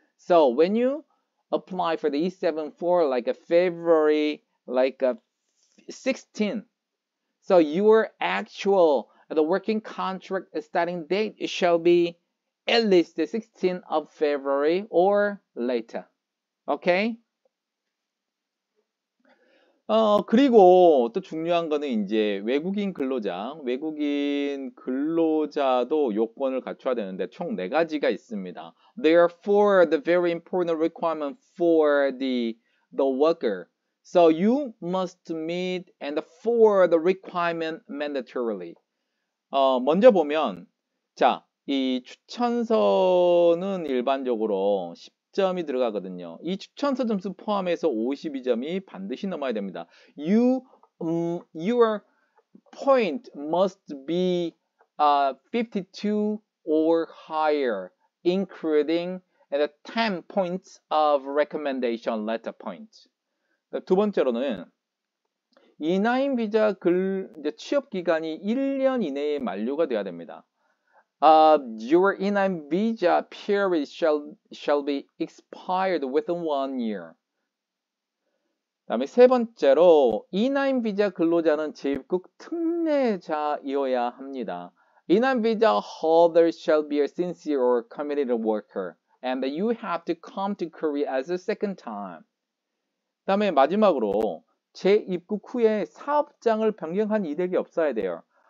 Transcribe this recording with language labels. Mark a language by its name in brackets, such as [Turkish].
[English] So when you apply for the E7-4, like a February, like a 16th. So your actual, the working contract starting date shall be at least the 16th of February or later. Okay? [Korean] 그리고 또 중요한 거는 이제 외국인 근로자, 외국인 근로자도 요건을 갖춰야 되는데 총 네 가지가 있습니다. [English] Therefore, the very important requirement for the worker. So you must meet and for the requirement mandatorily. [Korean] 먼저 보면 자, 이 추천서는 일반적으로 10점이 들어가거든요. 이 추천서 점수 포함해서 52점이 반드시 넘어야 됩니다. [English] Your point must be 52 or higher, including the 10 points of recommendation letter point. [Korean] 두 번째로는 E9 비자 취업 기간이 1년 이내에 만료가 되어야 됩니다. [English] Your E9 visa period shall be expired within 1 year. [Korean] 다음에 세 번째로 E9 비자 근로자는 재입국 특례자이어야 합니다. [English] E9 visa holder shall be a sincere or committed worker, and you have to come to Korea as a second time. [Korean] 다음에 마지막으로 재입국 후에 사업장을 변경한 이력이 없어야 돼요.